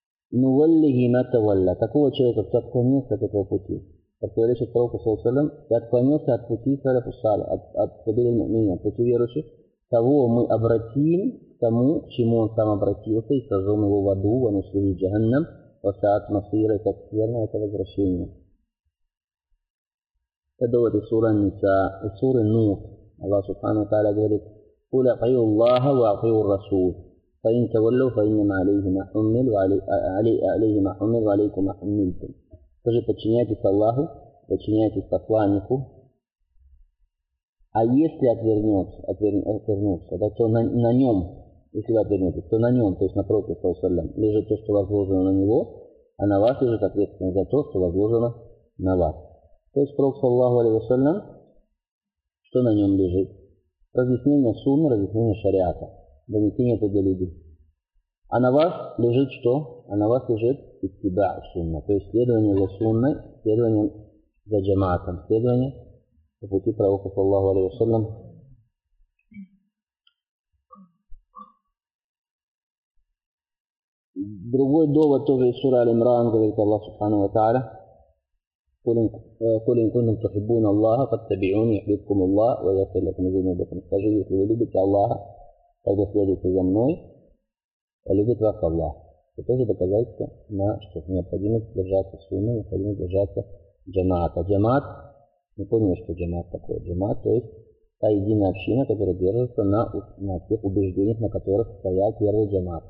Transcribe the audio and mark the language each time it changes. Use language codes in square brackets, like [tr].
[ar] Нуваллихи ма тавалла. [ru] Такого человека, кто отклонился от этого пути, противоречит пророку саллаллаху алейхи ва саллям, и отклонился от пути саляфу саля, от сабирин му'мин, от пути верующих, того мы обратим к тому, к чему он сам обратился, и сожжем его в аду, в анусли джаганнам, в асаат масира, и как верно это возвращение. Это довод из сура Ниса, из суры Нух. Аллах Субхану Тааля говорит, [ar] قل اطيعوا الله واطيعوا الرسول فإن تولوا فإنما عليه ما حمل وعليه ما حمل وعليكم ما حملتم. [ru] Скажи, подчиняйтесь Аллаху, подчиняйтесь посланнику, а если отвернется, да, то на нем, если вы отвернетесь, то на нем, то есть на пророке саллаллаху алейхи ва саллям, лежит то, что возложено на него, а на вас лежит ответственность за то, что возложено на вас. То есть пророк саллаллаху алейхи ва саллям, что на нем лежит? Разъяснение сунны, разъяснение шариата, донесение это для людей. А на вас лежит что? А на вас лежит из себя сунна, то есть следование за сунной, следование за джаматом, следование по пути пророка саллаллаху алейхи ва саллям. Другой довод тоже из сура Аль-Имран, говорит Аллах Субхану ва Тааля. [ar] قل إن كنتم تحبون الله فاتبعوني يحببكم الله ويغفر لكم ذنوبكم. [ru] Скажи, если вы любите Аллаха, тогда следуйте за мной, а любит вас Аллах. Это тоже доказательство на что необходимо держаться сунны, необходимо держаться джамаата. Джамаат, мы поняли, что джамаат такое. Джамаат, то есть та единая община, которая держится на тех убеждениях, на которых стоял первый джамаат.